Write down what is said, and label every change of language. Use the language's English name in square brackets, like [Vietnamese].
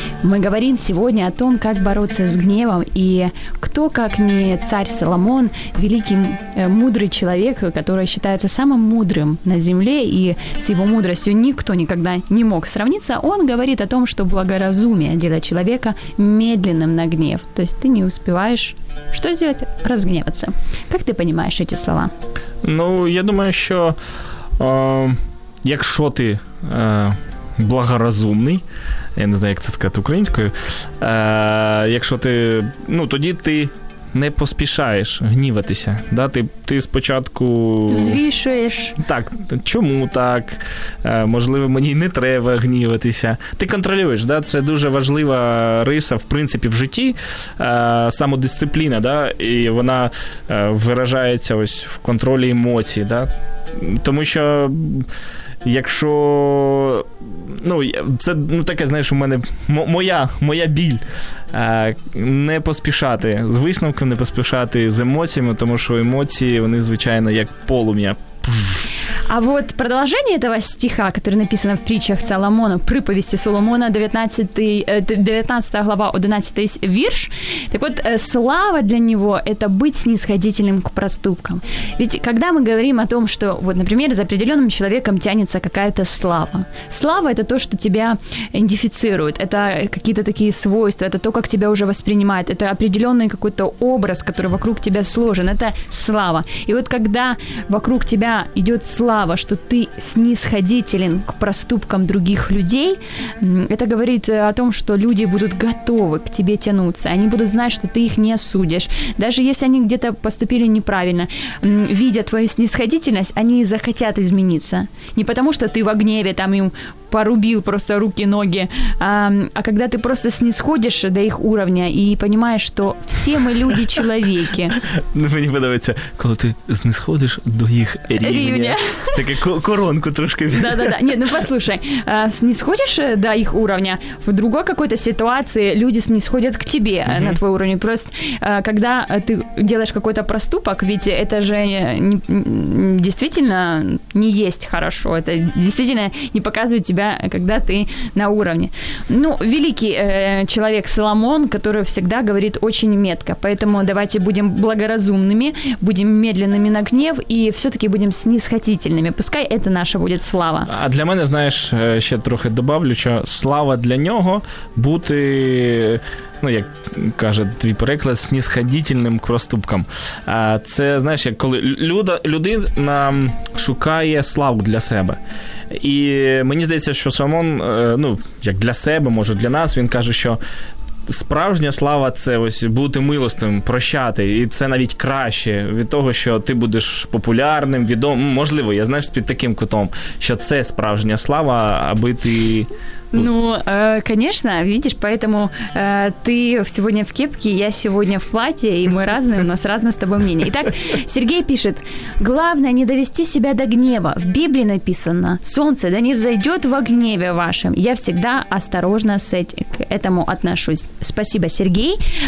[Russian] Мы говорим сегодня о том, как бороться с гневом, и кто, как не царь Соломон, великий мудрый человек, который считается самым мудрым на земле, и с его мудростью никто никогда не мог сравниться, он говорит о том, что благоразумие делает человека медленным на гнев. То есть ты не успеваешь что сделать? Разгневаться. Как ты понимаешь эти слова? Ну, я думаю, что [Ukrainian] якщо ты благоразумний, я не знаю, як це сказати українською, якщо ти, ну, тоді ти не поспішаєш гніватися, да? ти спочатку звішуєш. Так, чому так? Можливо, мені не треба гніватися. Ти контролюєш, да? Це дуже важлива риса, в принципі, в житті, самодисципліна, да? І вона виражається ось в контролі емоцій, да? Тому що якщо, ну, це, ну, таке, знаєш, у мене моя біль, не поспішати з висновками, не поспішати з емоціями, тому що емоції, вони, звичайно, як полум'я. [Russian] А вот продолжение этого стиха, который написано в притчах Соломона, приповести Соломона, 19 глава, 11 вирш. Так вот, слава для него – это быть снисходительным к проступкам. Ведь когда мы говорим о том, что, вот, например, за определенным человеком тянется какая-то слава. Слава – это то, что тебя идентифицирует. Это какие-то такие свойства, это то, как тебя уже воспринимают. Это определенный какой-то образ, который вокруг тебя сложен. Это слава. И вот когда вокруг тебя идет слава, что ты снисходителен к проступкам других людей, это говорит о том, что люди будут готовы к тебе тянуться, они будут знать, что ты их не осудишь. Даже если они где-то поступили неправильно, видя твою снисходительность, они захотят измениться. Не потому, что ты во гневе там им порубил просто руки, ноги. А когда ты просто снисходишь до их уровня и понимаешь, что все мы люди-человеки. [Ukrainian] Ну, мені подобається, коли ти знисходиш до їх рівня. Таке коронку трошки. [Russian] Да-да-да. Ні, ну послушай, снисходишь до їх уровня, в другой какой-то ситуации люди снисходят к тебе на твой уровень. Просто когда ты делаешь какой-то проступок, ведь это же действительно не есть хорошо. Это действительно не показывает тебя, когда ты на уровне. Ну, великий человек Соломон, который всегда говорит очень метко. Поэтому давайте будем благоразумными, будем медленными на гнев и все-таки будем снисходительными. Пускай это наша будет слава. А для меня, знаешь, еще трохи добавлю, что слава для него бути... [Ukrainian] Ну, як каже твій переклад, снісходітельним к проступкам. Це, знаєш, як коли людина шукає славу для себе. І мені здається, що Соломон, ну, як для себе, може для нас, він каже, що справжня слава – це ось бути милостивим, прощати. І це навіть краще від того, що ти будеш популярним, відомим. Можливо, я, знаєш, під таким кутом, що це справжня слава, аби ти... [Russian] Ну, конечно, видишь, поэтому ты сегодня в кепке, я сегодня в платье, и мы разные, у нас разное с тобой мнение. Итак, Сергей пишет: главное не довести себя до гнева. В Библии написано: солнце да не взойдет во гневе вашем. Я всегда осторожно с этим, к этому отношусь. Спасибо, Сергей.